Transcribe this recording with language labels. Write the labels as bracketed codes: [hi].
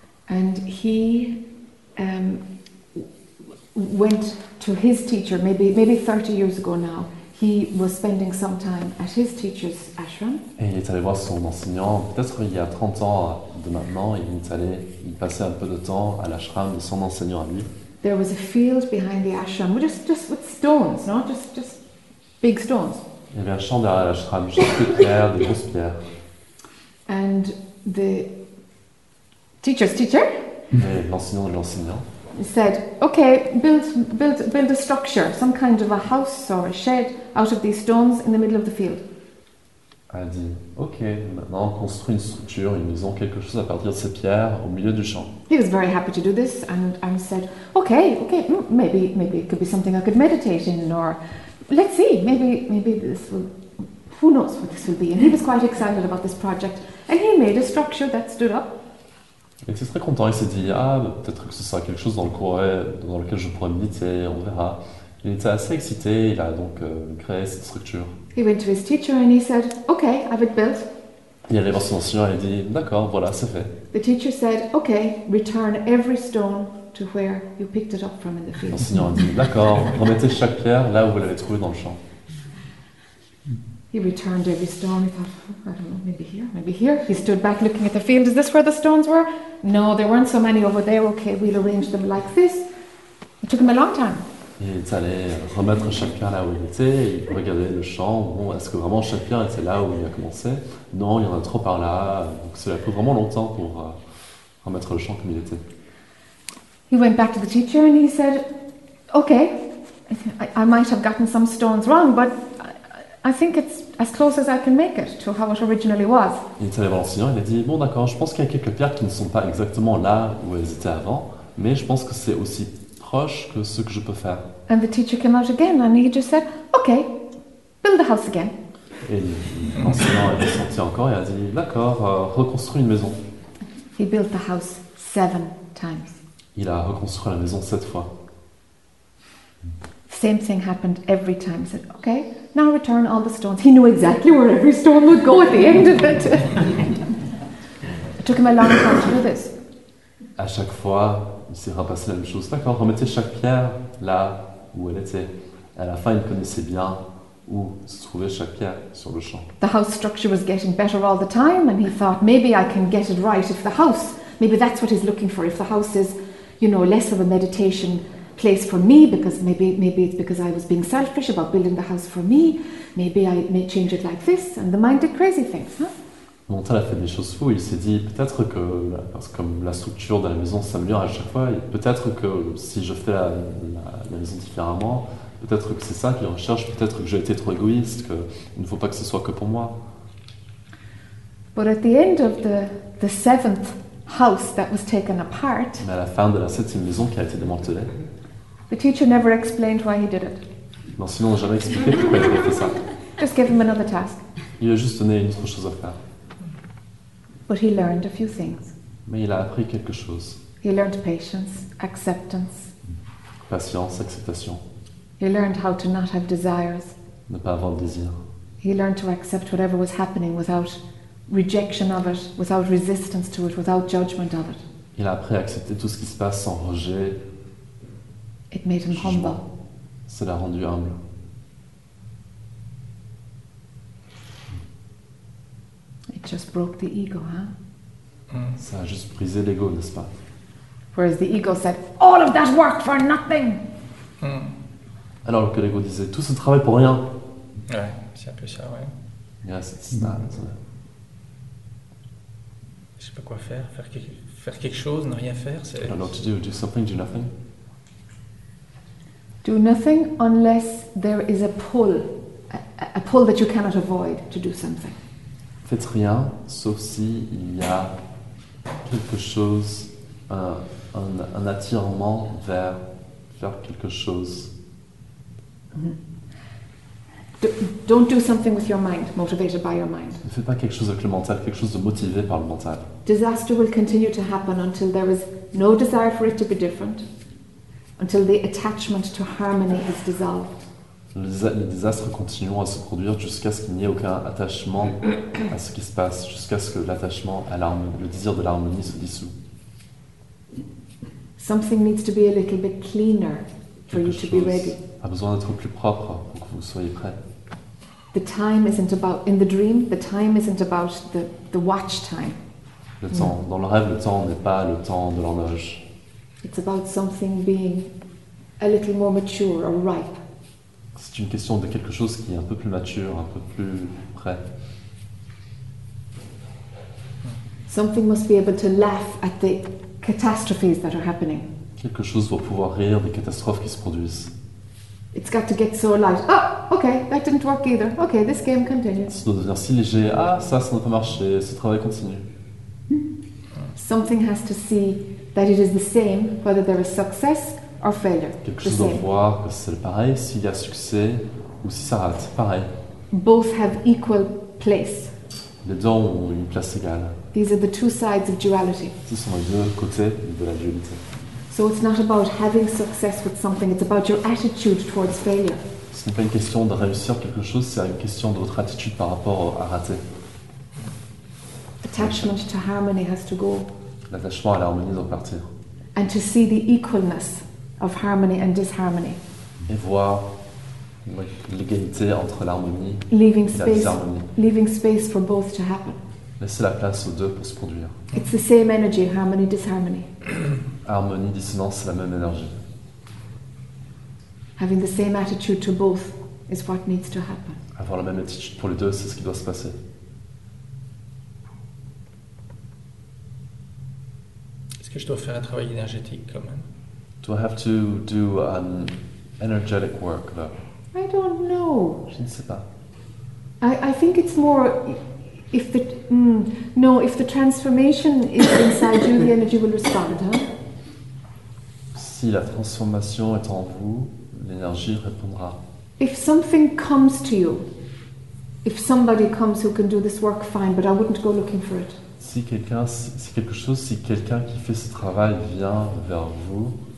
[en] And he went to his teacher maybe 30 years ago now. He was spending some time at his teacher's ashram. [fr] Et il est allé voir son enseignant, peut-être il y a 30 ans de maintenant, il passait un peu de temps à l'ashram de son enseignant à lui. [en] There was a field behind the ashram, just with stones, no? Just big stones. [fr] Il y avait un champ derrière l'ashram, juste des pierres, des grosses pierres. [en] And the teacher's teacher? [fr] Et l'enseignant de l'enseignant. [en] He said, okay, build a structure, some kind of a house or a shed out of these stones in the middle of the field. [fr] Elle a dit, okay, maintenant construis une structure, une maison, quelque chose à partir de ces pierres au milieu du champ. [en] He was very happy to do this and said, okay, maybe it could be something I could meditate in, or let's see, maybe this will, who knows what this will be. And he was quite excited about this project and he made a structure that stood up. [fr] Il était très content, il s'est dit « Ah, peut-être que ce sera quelque chose dans lequel je pourrais méditer, on verra. » Il était assez excité, il a donc créé cette structure. [en] He went to his teacher and he said, okay, I've it built. [fr] Il allait voir son enseignant et il dit « D'accord, voilà, c'est fait. » [en] The teacher said, okay, return every stone to where you picked it up from in the field. [fr] L'enseignant a dit « D'accord, remettez chaque pierre là où vous l'avez trouvé dans le champ. » [en] He returned every stone. He thought, oh, I don't know, maybe here. He stood back looking at the field. Is this where the stones were? No, there weren't so many over there. Okay, we'll arrange them like this. It took him a long time. [fr] Il est allé remettre chaque pierre là où il était. Il regardait le champ. Bon, est-ce que vraiment chaque pierre était là où il a commencé? Non, il y en a trop par là. Donc cela a pris vraiment longtemps pour remettre le champ comme il était. [en] He went back to the teacher and he said, okay, I might have gotten some stones wrong, but I think it's as close as I can make it to how it originally was. [fr] Il est allé voir l'enseignant, il a dit, bon d'accord, je pense qu'il y a quelques pierres qui ne sont pas exactement là où elles étaient avant, mais je pense que c'est aussi proche que ce que je peux faire. [en] And the teacher came out again and he just said, okay, build the house again. [fr] Et l'enseignant est ressorti encore et a dit, d'accord, reconstruis une maison. [en] He built the house 7 times. [fr] Il a reconstruit la maison 7 fois. [en] Same thing happened every time. He said, okay, now return all the stones. He knew exactly where every stone would go at the end of it. It took him a long time to do this. [fr] À chaque fois, il s'est repassé la même chose. D'accord, remettez chaque pierre là où elle était. À la fin, il connaissait bien où se trouvait chaque pierre sur le champ. [en] The house structure was getting better all the time, and he thought, maybe I can get it right if the house, maybe that's what he's looking for, if the house is, you know, less of a meditation place for me, because maybe it's because I was being selfish about building the house for me. Maybe I may change it like this, and the mind did crazy things. Huh? [fr] Montal a fait des choses fous. Il s'est dit peut-être que parce comme la structure de la maison s'améliore à chaque fois, peut-être que si je fais la maison différemment, peut-être que c'est ça qu'il recherche. Peut-être que j'ai été trop égoïste. Que il ne faut pas que ce soit que pour moi. [en] But at the end of the seventh house that was taken apart. [fr] Mais à la fin de la septième maison qui a été démantelée. [en] The teacher never explained why he did it. [fr] L'enseignant n'a jamais expliqué pourquoi il avait fait ça. [en] Just gave him another task. [fr] Il lui a juste donné une autre chose à faire. [en] But he learned a few things. [fr] Mais il a appris quelque chose. [en] He learned patience, acceptance. [fr] Patience, acceptation. [en] He learned how to not have desires. [fr] Ne pas avoir de désir. [en] He learned to accept whatever was happening without rejection of it, without resistance to it, without judgment of it. [fr] Il a appris à accepter tout ce qui se passe sans rejet. [en] It made him humble. [fr] Ça l'a rendu humble. [en] It just broke the ego, huh? [fr] Ça a juste brisé l'ego, n'est-ce pas? [en] Whereas the ego said, all of that work for nothing. [fr] Alors que l'ego disait, tout ce travail pour rien. Ouais, c'est un peu ça, ouais. [en] Yeah, [fr] c'est ça. Je sais pas quoi faire. Faire quelque chose, ne rien faire, c'est... [en] I don't know what to do. Do something, do nothing. Do nothing unless there is a pull. A pull that you cannot avoid to do something. [fr] Faites rien, sauf si il y a quelque chose, un attirement vers faire quelque chose. [en] Don't do something with your mind, motivated by your mind. [fr] Ne fais pas quelque chose avec le mental, quelque chose de motivé par le mental. [en] Disaster will continue to happen until there is no desire for it to be different, until the attachment to harmony is dissolved. [fr] Les désastres continueront à se produire jusqu'à ce qu'il n'y ait aucun attachement à ce qui se passe, jusqu'à ce que l'attachement à l'harmonie, le désir de l'harmonie se dissout. [en] Something needs to be a little bit cleaner for you to be ready. [fr] A besoin d'être plus propre pour que vous soyez prêt. [en] The time isn't about in the dream. The time isn't about the watch time. [fr] Le temps dans le rêve, le temps n'est pas le temps de l'horloge. [en] It's about something being a little more mature or ripe. [fr] C'est une question de quelque chose qui est un peu plus mature, un peu plus prêt. [en] Something must be able to laugh at the catastrophes that are happening. [fr] Quelque chose doit pouvoir rire des catastrophes qui se produisent. [en] It's got to get so light. Ah, okay, that didn't work either. Okay, this game continues. [fr] Ça doit devenir si léger. Ah, ça n'a pas marché. Ce travail continue. [en] Something has to see that it is the same, whether there is success or failure. [fr] Quelque chose doit voir que c'est le pareil, s'il y a succès ou si ça rate. Pareil. [en] Both have equal place. [fr] Les deux ont une place égale. [en] These are the two sides of duality. [fr] Ce sont les deux côtés de la dualité. [en] So it's not about having success with something, it's about your attitude towards failure. [fr] Ce n'est pas une question de réussir quelque chose, c'est une question de votre attitude par rapport à rater. [en] Attachment to harmony has to go. [fr] L'attachement à l'harmonie doit partir. [en] And to see the equalness of harmony and disharmony. [fr] Et voir l'égalité entre l'harmonie [en] leaving [fr] et [en] space, [fr] la disharmonie. [en] Leaving space for both to happen. [fr] Laisser la place aux deux pour se produire. [en] It's the same energy, harmony, disharmony. [fr] Harmonie, dissonance, c'est la même énergie. [en] Having the same attitude to both is what needs to happen. [fr] Avoir la même attitude pour les deux, c'est ce qui doit se passer. Est-ce que je dois faire un travail énergétique quand même? [en] Do I have to do an energetic work though? I don't know. [fr] Je ne sais pas. [en] I think it's more if the no, if the transformation is inside you, the energy will respond, huh? [fr] Si la transformation est en vous, l'énergie répondra. [en] If something comes to you, if somebody comes who can do this work fine, but I wouldn't go looking for it. [fr] Si quelqu'un qui fait ce travail vient vers vous,